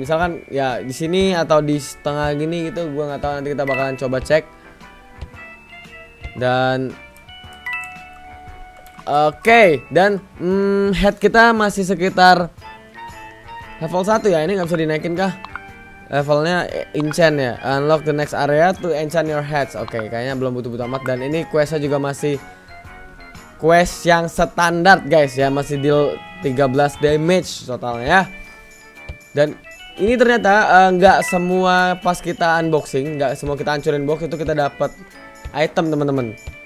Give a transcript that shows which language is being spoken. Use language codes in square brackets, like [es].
[id] Misalkan ya di sini atau di setengah gini gitu, gua enggak tahu, nanti kita bakalan coba cek. Dan okay, dan head kita masih sekitar level 1 ya. Ini gak bisa dinaikin kah? Levelnya enchant ya. [en] Unlock the next area to enchant your heads. [id] Okay, kayaknya belum butuh-butuh amat. Dan ini questnya juga masih quest yang standar guys ya, masih deal 13 damage totalnya ya. Dan ini ternyata gak semua pas kita unboxing, gak semua kita hancurin box itu kita dapat item teman-teman.